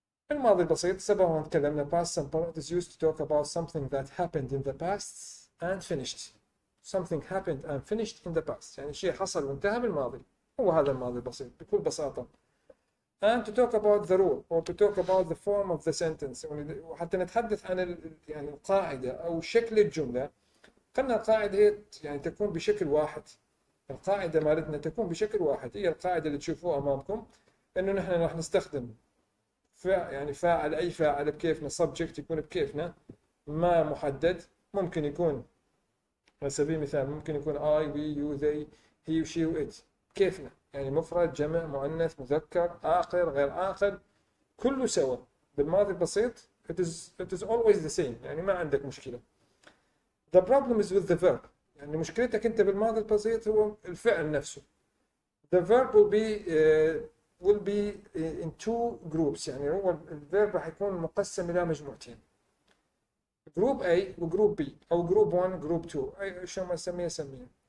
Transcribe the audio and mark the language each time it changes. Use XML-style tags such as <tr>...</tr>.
<ar>الماضي البسيط سبق وان تكلمنا،</ar> <en>past simple is used to talk about something that happened in the past and finished. Something happened and finished in the past.</en> <ar>يعني شيء حصل وانتهى بالماضي. هو هذا الماضي البسيط بكل بساطة.</ar> <en>And to talk about the rule or to talk about the form of the sentence.</en> <ar>وحتى نتحدث عن يعني القاعدة أو شكل الجملة. قلنا القاعدة هي يعني تكون بشكل واحد. القاعدة مالتنا تكون بشكل واحد. هي القاعدة اللي تشوفوها أمامكم. أنه نحن راح نستخدم يعني فاعل، أي فاعل بكيفنا، subject يكون بكيفنا. ما محدد. ممكن يكون على سبيل المثال ممكن يكون</ar> <en>I, we, you, they, he, she, it</en> <ar>كيفنا، يعني مفرد، جمع، مؤنث، مذكر، آخر، غير آخر، كله سوا بالماضي البسيط.</ar> <en>It is always the same،</en> <ar>يعني ما عندك مشكلة.</ar> <en>The problem is with the verb،</en> <ar>يعني مشكلتك أنت بالماضي البسيط هو الفعل نفسه.</ar> <en>The verb will be in two groups،</en> <ar>يعني هو الverb راح يكون مقسم إلى مجموعتين، جروب A وجروب B أو جروب 1 جروب 2 أي شو ما سميها.</ar>